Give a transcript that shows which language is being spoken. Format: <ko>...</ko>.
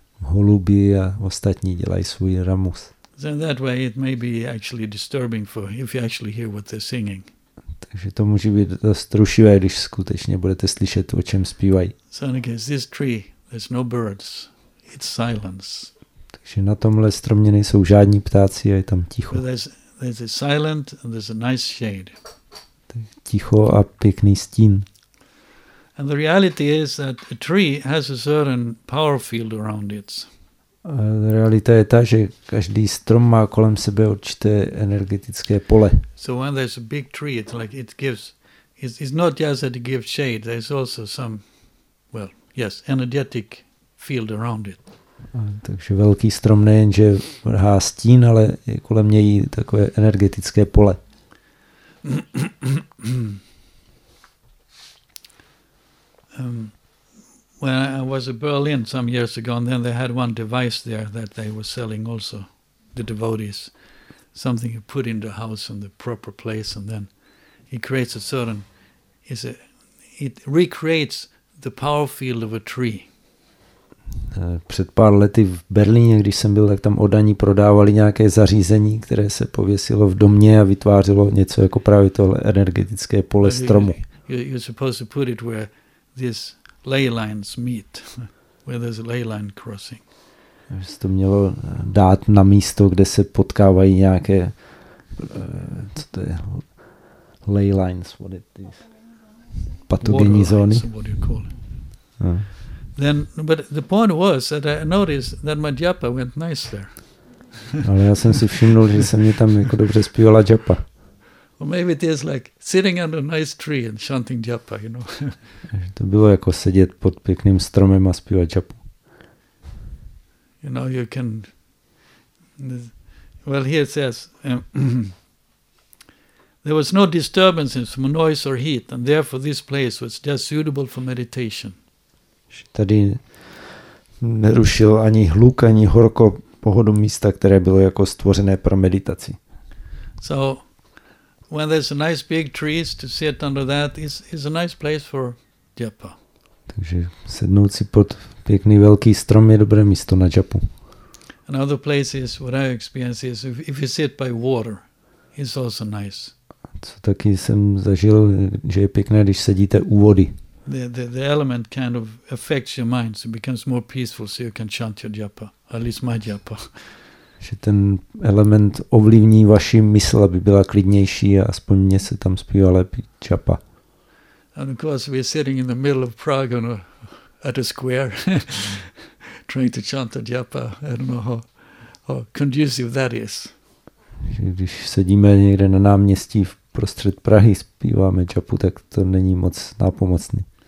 <cs>Holuby a ostatní dělají svůj ramus.</cs> <en>Then that way it may be actually disturbing for if you actually hear what they're singing.</en> <cs>Takže to může být dost rušivé, když skutečně budete slyšet, o čem zpívají.</cs> <en>So against this tree, there's no birds. It's silence.</en> <cs>Takže na tomhle stromě nejsou žádní ptáci a je tam ticho.</cs> <en>There's a silent and there's a nice shade.</en> <cs>Ticho a pěkný stín.</cs> <en>And the reality is that a tree has a certain power field around it.</en> <cs>A realita je ta, že každý strom má kolem sebe určité energetické pole.</cs> <en>So when there's a big tree, it's like it gives, it's not just that it gives shade, there's also some, well, yes, energetic field around it.</en> <cs>A takže velký strom nejenže vrhá stín, ale je kolem něj takové energetické pole.</cs> <en>When I was in Berlin some years ago, and then they had one device there that they were selling also, the devotees, something you put in the house in the proper place, and then it creates a certain, it recreates the power field of a tree.</en> <cs>Před pár lety v Berlíně, když jsem byl, tak tam oddaní prodávali nějaké zařízení, které se pověsilo v domě a vytvářelo něco jako právě tohle energetické pole stromu.</cs> <en>You're supposed to put it where this ley lines meet. where there's a ley line crossing.</en> <cs>Že se to mělo dát na místo, kde se potkávají nějaké co to je</cs> <en>ley lines, what it is.</en> <cs>Patogenní zóny.</cs> <en>Then but the point was that I noticed that my japa went nice there.</en> <cs>Ale já jsem si všiml, že se mi tam jako dobře zpívala japa.</cs> <en>Or maybe it is like sitting under a nice tree and chanting japa, you know.</en> <cs>To bylo jako sedět pod pěkným stromem a zpívat japu.</cs> <en>You know, you can well here it says there was no disturbances from noise or heat and therefore this place was just suitable for meditation.</en> <cs>Tady nerušil ani hluk, ani horko pohodu místa, které bylo jako stvořené pro meditaci.</cs> <en>So when there's a nice big trees to sit under that is a nice place for japa.</en> <cs>Takže sednout si pod pěkný velký strom je dobré místo na japu.</cs> <en>Another place is what I experience is if you sit by water, it's also nice.</en> <cs>Co taky jsem zažil, že je pěkné, když sedíte u vody.</cs> <en>The element kind of affects your mind, so it becomes more peaceful, so you can chant your japa, at least my japa.</en> <cs>Že ten element ovlivní vaši mysl, aby byla klidnější a aspoň mě se tam zpívá lepší japa.</cs> <en>And of course we're sitting in the middle of Prague on a, at a square, trying to chant a japa. I don't know how conducive that is.</en> <cs>Že když sedíme někde na náměstí v prostřed Prahy, zpíváme japu, tak to není moc nápomocný.</cs>